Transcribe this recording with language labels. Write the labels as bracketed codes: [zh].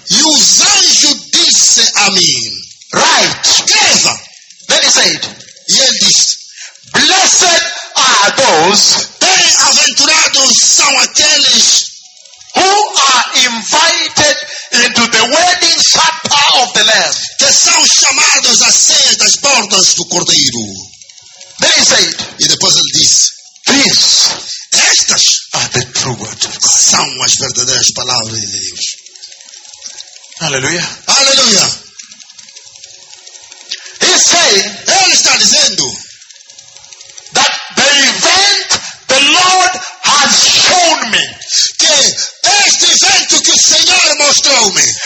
[pt] E os anjos disse a mim. [en] Right. [pt] Escreva. [en] Then he said. [pt] E ele disse. [en] Blessed are those. [pt] Bem-aventurados são aqueles. [en] Who invited into the wedding supper of the Lamb. [pt] Que são chamados à ceia das bordas do Cordeiro. [en] Then he said, [pt] e depois ele disse, [en] these, [pt] estas, [en] are the true words. [pt] São as verdadeiras palavras de Deus. Aleluia. Aleluia. [en] He said, [pt] ele está dizendo, [en] that the event the Lord has shown me, [pt] que este evento que o Senhor mostrou-me,